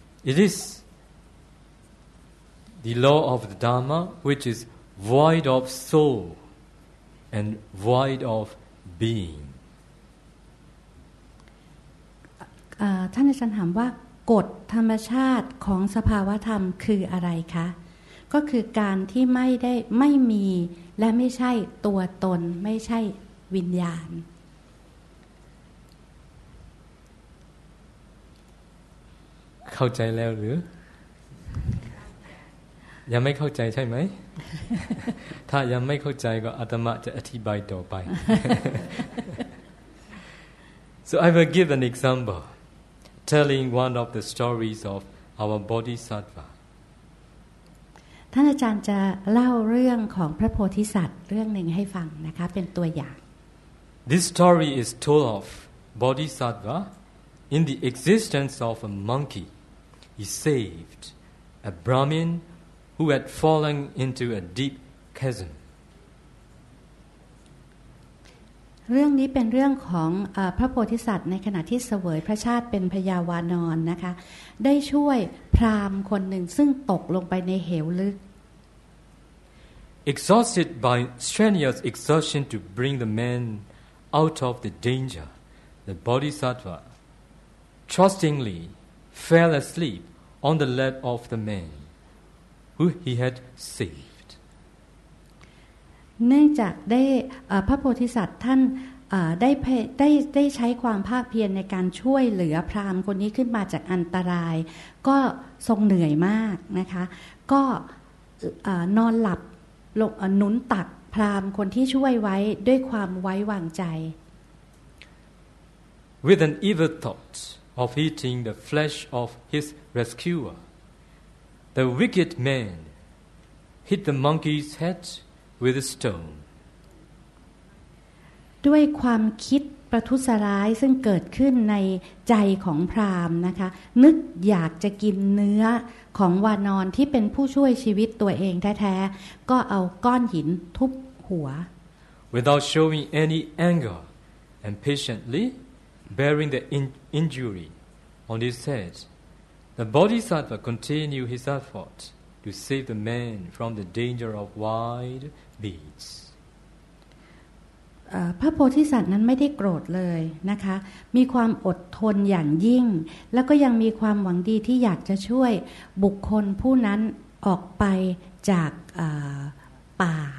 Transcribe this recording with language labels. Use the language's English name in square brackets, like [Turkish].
[English] It is the law of the Dhamma which is void of soul and void of being. [Thai] ท่านอาจารย์ถามว่ากฎธรรมชาติของสภาวะธรรมคืออะไรคะก็คือการที่ไม่มีและไม่ใช่ตัวตนไม่ใช่วิญญาณ เข้าใจแล้วหรือยังไม่เข้าใจใช่ไหม ถ้ายังไม่เข้าใจก็อาตมาจะอธิบายต่อไป [English] So I will give an examplesTelling one of the stories of our Bodhisattva. [Thai] ท่านอาจารย์จะเล่าเรื่องของพระโพธิสัตว์เรื่องหนึ่งให้ฟังนะคะเป็นตัวอย่าง [English] This story is told of Bodhisattva in the existence of a monkey. He saved a Brahmin who had fallen into a deep chasm. [Thai] เรื่องนี้เป็นเรื่องของพระโพธิสัตว์ในขณะที่เสวยพระชาติเป็นพยาวานรนะคะได้ช่วยพราหมณ์คนหนึ่งซึ่งตกลงไปในเหวลึก [English] exhausted by strenuous exertion to bring the man out of the danger, the bodhisattva trustingly fell asleep on the lap of the man who he had saved. [Thai] เนื่องจากได้พระโพธิสัตว์ท่านได้ใช้ความภาคเพียรในการช่วยเหลือพราหมณ์คนนี้ขึ้นมาจากอันตรายก็ทรงเหนื่อยมากนะคะก็นอนหลับลงหนุนตักพราหมณ์คนที่ช่วยไว้ด้วยความไว้วางใจ [English] With an evil thought of eating the flesh of his rescuer the wicked man hit the monkey's head with a stone [Thai] ด้วยความคิดประทุษร้ายซึ่งเกิดขึ้นในใจของพราหมณ์นะคะนึกอยากจะกินเนื้อของวานรที่เป็นผู้ช่วยชีวิตตัวเองแท้ๆก็เอาก้อนหินทุบหัว [English] Without showing any anger and patiently bearing the injury on his head the bodhisattva continued his effort to save the man from the danger of wild beasts [Thai] พระโพธิสัตว์นั้นไม่ได้โกรธเลยนะคะมีความอดทนอย่างยิ่งแล้วก็ยังมีความหวังดีที่อยากจะช่วยบุคคลผู้นั้นออกไปจากป่า